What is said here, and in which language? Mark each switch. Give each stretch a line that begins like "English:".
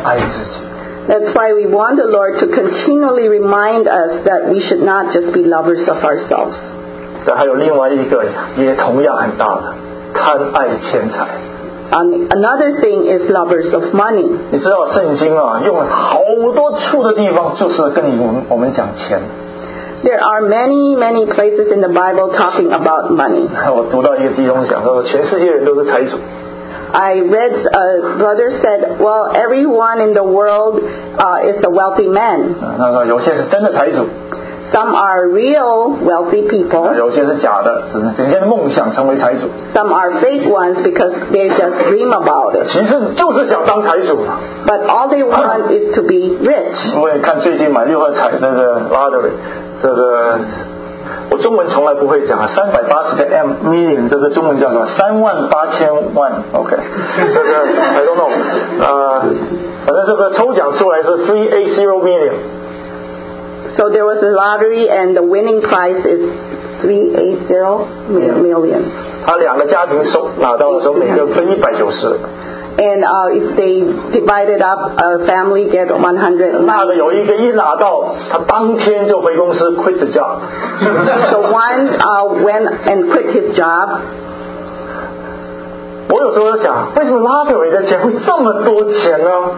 English: That's why we want the Lord to continually remind us that we should not just be lovers of ourselves.
Chinese: 还有另外一个也同样很大的，贪爱钱财。
English: Another thing is lovers of money.
Chinese: 你知道圣经啊，用好多处的地方就是跟你我们讲钱。
English: There are many places in the Bible talking about money.
Chinese: 我读到一个弟兄讲说，全世界人都是财主。
English: I read a brother said, well, everyone in the world is a wealthy man.
Chinese: 那有些是真的财主。
English: Some are real wealthy people.
Chinese: 有些是假的，只是整天梦想成为财主。
English: Some are fake ones because they just dream about it.
Chinese: 其实就是想当财主。
English: But all they want is to be rich.
Chinese: 我也看最近买六合彩那个 lottery， 这个我中文从来不会讲，380个 million， 这个中文叫做38000万 ，OK， 这个
English: I don't know，
Chinese: 反正这个抽奖出来是 380 million。
English: So there was a lottery and the winning price is 380 million.
Chinese: 他两个家庭收拿到的时候每个分190。
English: And if they divide it up, a family get 100.
Chinese: 那个有一个一拿到，他当天就回公司
English: quit the job. So one went and quit his job.
Chinese: 我有时候想，为什么 lottery 的钱会这么多钱呢？